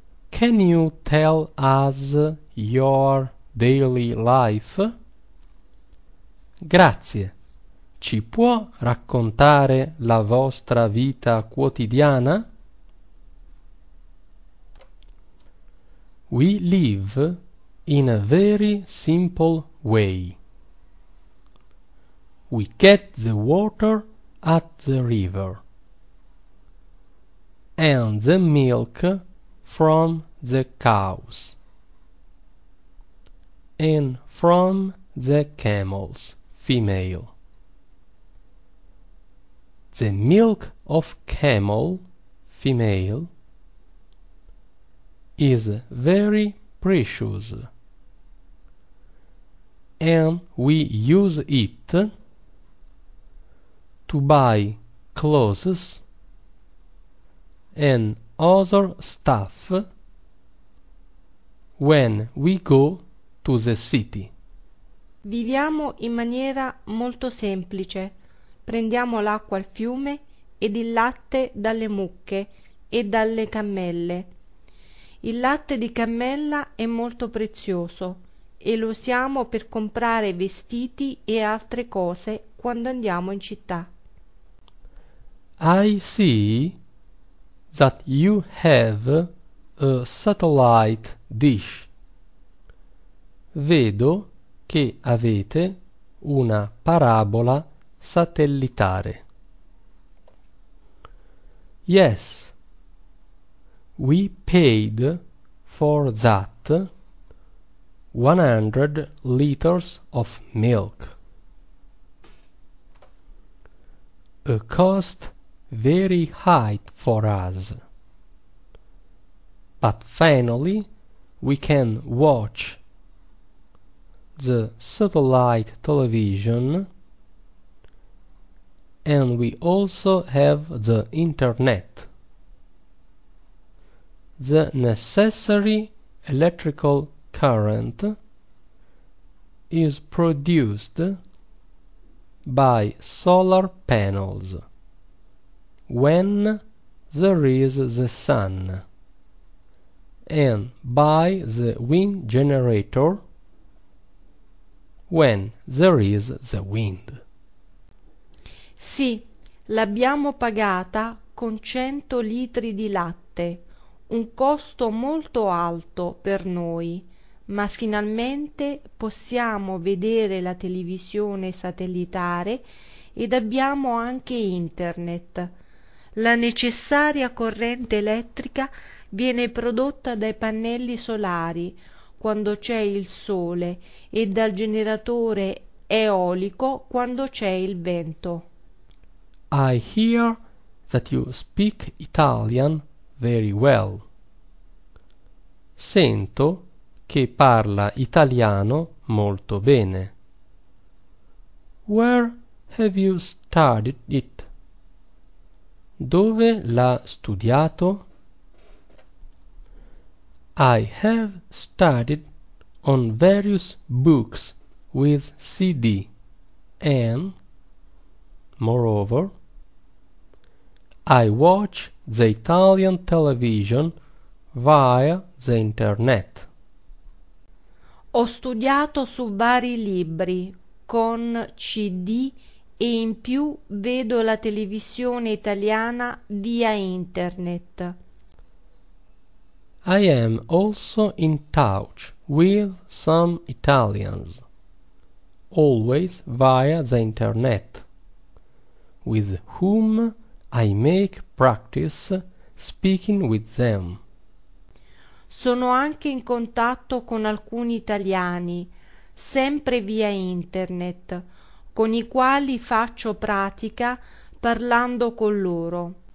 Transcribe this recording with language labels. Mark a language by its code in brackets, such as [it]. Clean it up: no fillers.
[en] Can you tell us your daily life? [it] Grazie. Ci può raccontare la vostra vita quotidiana? [en] We live in a very simple way. We get the water at the river and the milk from the cows and from the camels, female. The milk of camel, female, is very precious, and we use it to buy clothes and other stuff when we go to the city. [it] Viviamo in maniera molto semplice. Prendiamo l'acqua al fiume ed il latte dalle mucche e dalle cammelle. Il latte di cammella è molto prezioso e lo usiamo per comprare vestiti e altre cose quando andiamo in città. [en] I see that you have a satellite dish. [it] Vedo che avete una parabola satellitare. [en] Yes. We paid for that 100 liters of milk. A cost very high for us. But finally we can watch the satellite television and we also have the internet. The necessary electrical current is produced by solar panels when there is the sun and by the wind generator when there is the wind. [it] Sì, l'abbiamo pagata con 100 litri di latte. Un costo molto alto per noi, ma finalmente possiamo vedere la televisione satellitare ed abbiamo anche internet. La necessaria corrente elettrica viene prodotta dai pannelli solari quando c'è il sole e dal generatore eolico quando c'è il vento. [en] I hear that you speak Italian very well. [it] Sento che parla italiano molto bene. [en] Where have you studied it? [it] Dove l'ha studiato? [en] I have studied on various books with CD and, moreover, I watch the Italian television via the internet. [it] Ho studiato su vari libri con CD e in più vedo la televisione italiana via internet. [en] I am also in touch with some Italians, always via the internet, with whom I make practice speaking with them. [it] Sono anche in contatto con alcuni italiani, sempre via internet, con i quali faccio pratica parlando con loro.